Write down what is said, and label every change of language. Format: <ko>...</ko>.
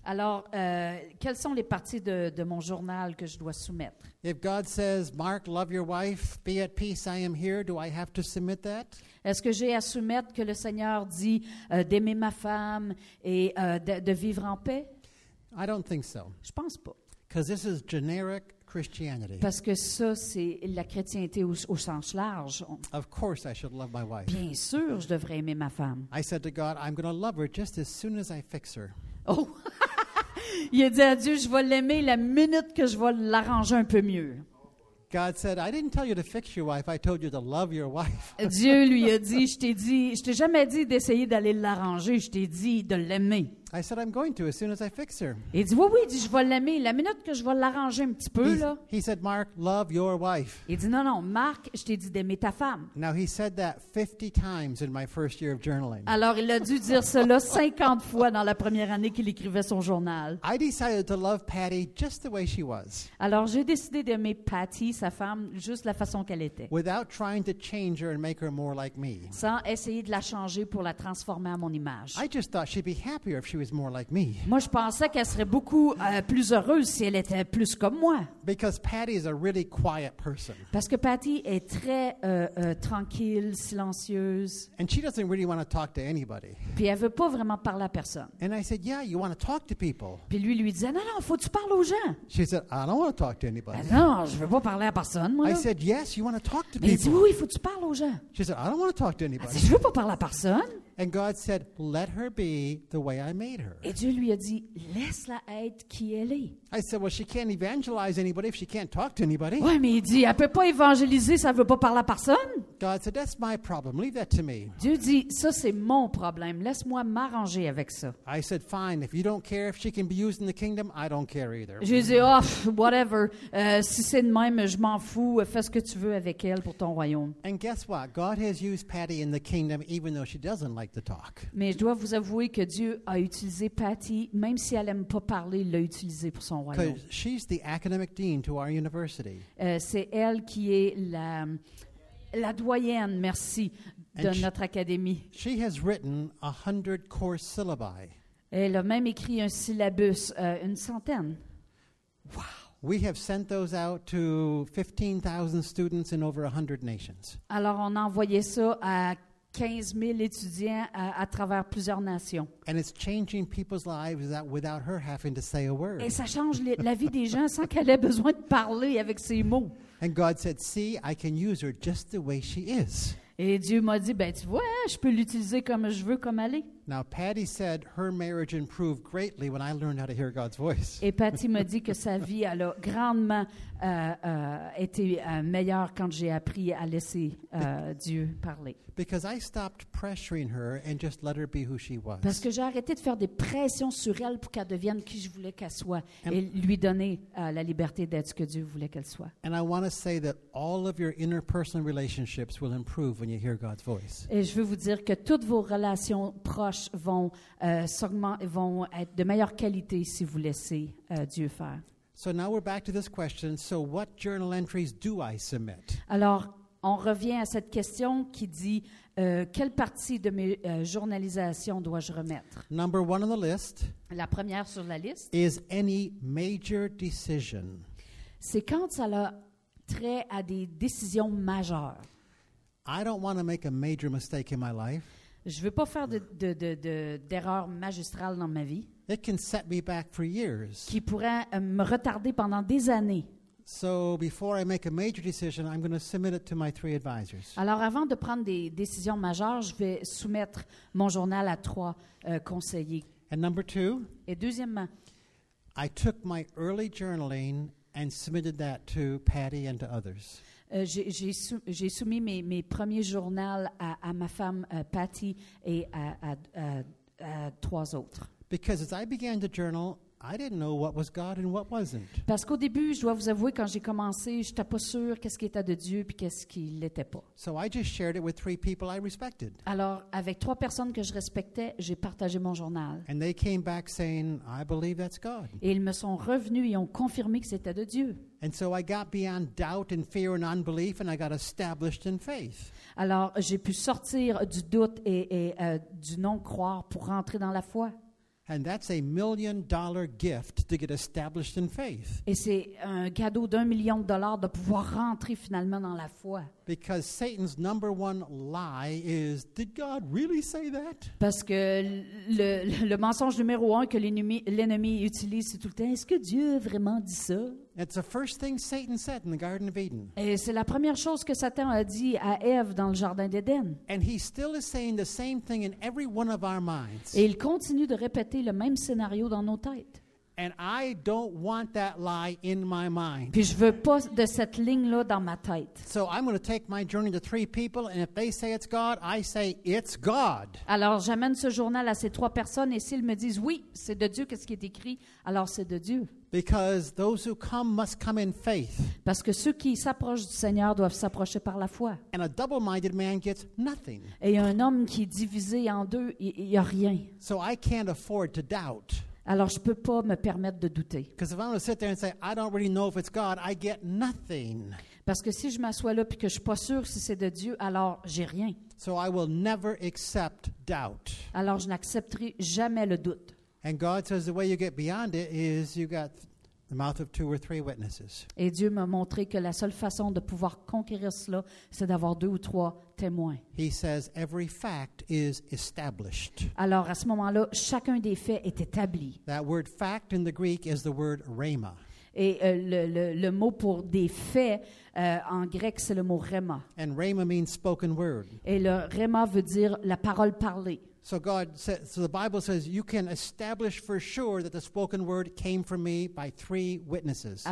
<fr>Alors quelles sont les parties de mon journal que je dois soumettre?</fr> <en>If God says, "Mark, love your wife, be at peace, I am here," do I have to submit that?</en> <fr>Est-ce que j'ai à soumettre que le Seigneur dit d'aimer ma femme et de vivre en paix?</fr> <en>I don't think so.</en> <fr>Je pense pas.</fr> <en>Because this is generic Christianity.</en> <fr>Parce que ça, c'est la chrétienté au sens large.</fr> <en>Of course I should love my wife.</en> <fr>Bien sûr, je devrais aimer ma femme.</fr> <en>I said to God, "I'm going to love her just as soon as I fix her." Oh.</en> <fr>Il a dit à Dieu, je vais l'aimer la minute que je vais l'arranger un peu mieux.</fr> <en>God said, "I didn't tell you to fix your wife. I told you to love your wife."</en> <fr>Dieu lui a dit, je t'ai jamais dit d'essayer d'aller l'arranger. Je t'ai dit de l'aimer.</fr> <en>I said, "I'm going to as soon as I fix her."</en> <fr>Il dit, oui, dit, je vais l'aimer la minute que je vais l'arranger un petit peu là.</fr> <en>He said, "Mark, love your wife."</en> <fr>Il dit, non, Mark, je t'ai dit d'aimer ta femme.</fr> <en>Now he said that 50 times in my first year of journaling.</en> <fr>Alors il a dû dire cela 50 fois dans la première année qu'il écrivait son journal.</fr> <en>I decided to love Patty just the way she was.</en> <fr>Alors j'ai décidé d'aimer Patty, sa femme, juste la façon qu'elle était.</fr> <en>Without trying to change her and make her more like me.</en> <fr>Sans essayer de la changer pour la transformer à mon image.</fr> <en>I just thought she'd be happier if she was more like me.</en> <fr>Moi, je pensais qu'elle serait beaucoup plus heureuse si elle était plus comme moi.</fr> <en>Because Patty is a really quiet person.</en> <fr>Parce que Patty est très tranquille, silencieuse.</fr> <en>And she doesn't really want to talk to anybody.</en> <fr>Puis elle veut pas vraiment parler à personne.</fr> <en>And I said, yeah, you want to talk to people.</en> <fr>Puis lui disait, non, non, faut que tu parles aux gens.</fr> <en>She said, I don't want to talk to anybody.</en> <fr>Ben non, je veux pas parler à personne, moi.</fr> <en>I said, yes, you want to talk to</en> <fr>Mais</fr> <en>people.</en> <fr>Mais dis oui, faut que tu parles aux gens.</fr> <en>She said, I don't want to talk to anybody.</en> <fr>Elle dit, je veux pas parler à personne.</fr> <en>And God said, let her be the way I made her.</en> <fr>Et Dieu lui a dit, laisse-la être qui elle est.</fr> <en>I said, well, she can't evangelize anybody if she can't talk to anybody.</en> <fr>Ouais, mais il dit, elle peut pas évangéliser, ça veut pas parler à personne.</fr> <en>God said, that's my problem. Leave that to me.</en> <fr>Dieu dit, ça c'est mon problème. Laisse-moi m'arranger avec ça.</fr> <en>I said, fine. If you don't care if she can be used in the kingdom, I don't care either.</en> <fr>Je lui dis, oh, whatever. Si c'est de même, je m'en fous. Fais ce que tu veux avec elle pour ton royaume.</fr> <en>And guess what? God has used Patty in the kingdom even though she doesn't like to talk.</en> <fr>Mais je dois vous avouer que Dieu a utilisé Patty, même si elle aime pas parler, l'a utilisé pour son royaume.</fr> <en>Because she's the academic dean to our university.</en> <fr>C'est elle qui est la doyenne, merci, de notre académie.</fr> <en>She has written 100 course syllabi.</en> <fr>Elle a même écrit un syllabus, une centaine.</fr> <en>Wow. We have sent those out to 15,000 students in over 100 nations.</en> <fr>Alors on a envoyé ça à 15 000 étudiants à travers plusieurs nations.</fr> <en>And it's changing people's lives without her having to say a word.</en> <fr>Et ça change la vie des gens sans qu'elle ait besoin de parler avec ses mots.</fr> <en>And God said, "See, I can use her just the way she is."</en> <fr>Et Dieu m'a dit, ben tu vois, je peux l'utiliser comme je veux, comme elle est.</fr> <en>Now Patty said her marriage improved greatly when I learned how to hear God's voice.</en> <fr>Et Patty m'a dit que sa vie a grandement été meilleure quand j'ai appris à laisser Dieu parler.</fr> <en>Because I stopped pressuring her and just let her be who she was.</en> <fr>Parce que j'ai arrêté de faire des pressions sur elle pour qu'elle devienne qui je voulais qu'elle soit et lui donner la liberté d'être ce que Dieu voulait qu'elle soit.</fr> <en>And I want to say that all of your interpersonal relationships will improve when you hear God's voice.</en> <fr>Et je veux vous dire que toutes vos relations proches vont être de meilleure qualité si vous laissez Dieu faire.</fr> <en>So now we're back to this question. So what journal entries do I submit?</en> <fr>Alors, on revient à cette question qui dit quelle partie de mes journalisations dois-je remettre?</fr> <en>Number one on the list.</en> <fr>La première sur la liste.</fr> <en>Is any major decision.</en> <fr>C'est quand ça a trait à des décisions majeures.</fr> <en>I don't want to make a major mistake in my life.</en> <fr>Je veux pas faire d'erreur magistrale dans ma vie.</fr> <en>It can set me back for years.</en> <fr>Qui pourrait me retarder pendant des années.</fr> <en>So before I make a major decision, I'm going to submit it to my three advisors.</en> <fr>Alors avant de prendre des décisions majeures, je vais soumettre mon journal à trois conseillers.</fr> <en>And number two.</en> <fr>Et deuxièmement.</fr> <en>I took my early journaling and submitted that to Patty and to others.</en> <fr>J'ai soumis mes premiers journaux à ma femme Patty et à trois autres.</fr> <en>Because as I began to journal, I didn't know what was God and what wasn't.</en> <fr>Parce qu'au début, je dois vous avouer, quand j'ai commencé, je n'étais pas sûr qu'est-ce qui était de Dieu puis qu'est-ce qui l'était pas.</fr> <en>So I just shared it with three people I respected.</en> <fr>Alors, avec trois personnes que je respectais, j'ai partagé mon journal.</fr> <en>And they came back saying, I believe that's God.</en> <fr>Et ils me sont revenus et ont confirmé que c'était de Dieu.</fr> <en>And so I got beyond doubt and fear and unbelief, and I got established in faith.</en> <fr>Alors, j'ai pu sortir du doute et du non-croire pour rentrer dans la foi.</fr> <en>And that's a million-dollar gift to get established in faith.</en> <fr>Et c'est un cadeau $1 million de pouvoir rentrer finalement dans la foi.</fr> <en>Because Satan's number one lie is, did God really say that?</en> <fr>Parce que le mensonge numéro un que l'ennemi utilise, c'est tout le temps, est-ce que Dieu a vraiment dit ça?</fr> <en>It's the first thing Satan said in the Garden of Eden.</en> <fr>Et c'est la première chose que Satan a dit à Ève dans le jardin d'Éden.</fr> <en>And he still is saying the same thing in every one of our minds.</en> <fr>Et il continue de répéter le même scénario dans nos têtes.</fr> <en>And I don't want that lie in my mind.</en> <fr>Puis je veux pas de cette ligne là dans ma tête.</fr> <en>So I'm going to take my journey to three people, and if they say it's God, I say it's God.</en> <fr>Alors j'amène ce journal à ces trois personnes, et s'ils me disent oui, c'est de Dieu qu'est-ce qui est écrit, alors c'est de Dieu.</fr> <en>Because those who come must come in faith.</en> <fr>Parce que ceux qui s'approchent du Seigneur doivent s'approcher par la foi.</fr> <en>And a double-minded man gets nothing.</en> <fr>Et un homme qui est divisé en deux, il y a rien.</fr> <en>So I can't afford to doubt.</en> <fr>Alors, je ne peux pas me permettre de douter.</fr> <en>Because if I'm going to sit there and say, I don't really know if it's God, I get nothing.</en> <fr>Parce que si je m'assois là et que je ne suis pas sûr si c'est de Dieu, alors j'ai rien.</fr> <en>So I will never accept doubt.</en> <fr>Alors, je n'accepterai jamais le doute.</fr> <en>And God says the way you get beyond it is you got the mouth of two or three witnesses.</en> <fr>Et Dieu m'a montré que la seule façon de pouvoir conquérir cela, c'est d'avoir deux ou trois témoins.</fr> <en>He says every fact is established.</en> <fr>Alors à ce moment-là, chacun des faits est établi.</fr> <en>That word fact in the Greek is the word rhema.</en> <fr>Et le mot pour des faits en grec, c'est le mot rhema.</fr> <en>And rhema means spoken word.</en> <fr>Et le rhema veut dire la parole parlée.</fr> <en>So God says, so the Bible says you can establish for sure that the spoken word came from me by three witnesses.</en>